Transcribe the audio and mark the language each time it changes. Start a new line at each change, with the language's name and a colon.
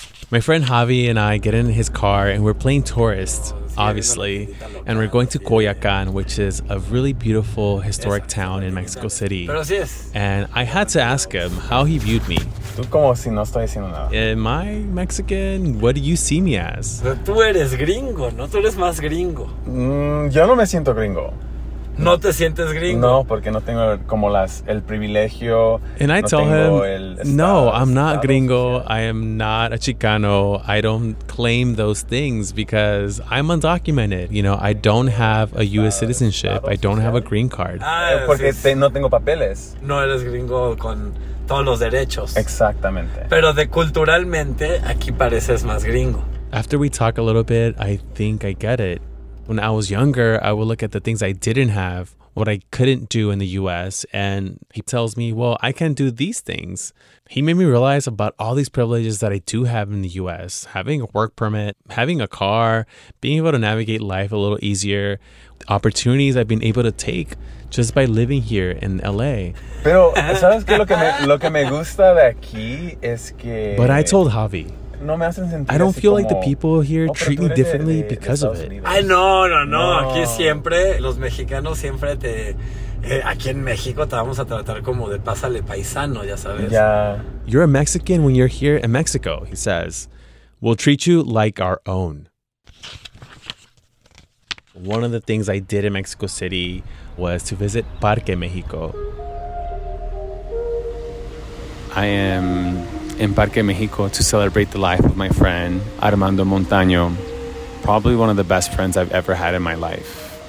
English: My friend Javi and I get in his car and we're playing tourists, obviously, and we're going to Coyoacan, which is a really beautiful historic town in Mexico City. And I had to ask him how he viewed me. Am I Mexican? What do you see me as?
Spanish: Tú eres gringo, no tú eres más gringo. Yo no me siento gringo. No te sientes gringo. No, porque no tengo como las el privilegio.
English: And I tell him, no, I'm not gringo. I am not a Chicano. I don't claim those things because I'm undocumented. You know, I don't have a U.S. citizenship. I don't have a green card.
Spanish: Porque no tengo papeles. No eres gringo con todos los derechos. Exactamente. Pero de culturalmente, aquí pareces más gringo.
English: After we talk a little bit, I think I get it. When I was younger, I would look at the things I didn't have, what I couldn't do in the U.S., and he tells me, well, I can do these things. He made me realize about all these privileges that I do have in the U.S., having a work permit, having a car, being able to navigate life a little easier, opportunities I've been able to take just by living here in L.A.
Spanish: Pero, ¿sabes qué? Lo que me gusta de aquí es que...
English: But I told Javi...
Spanish: No me hacen sentir
English: I don't feel
Spanish: como,
English: like the people here treat me differently because of it.
Spanish: Ay, no. Aquí siempre, los mexicanos siempre te... aquí en México te vamos a tratar como de pásale paisano, ya sabes.
English: Yeah. You're a Mexican when you're here in Mexico, he says. We'll treat you like our own. One of the things I did in Mexico City was to visit Parque México. I am... in Parque Mexico to celebrate the life of my friend, Armando Montaño, probably one of the best friends I've ever had in my life.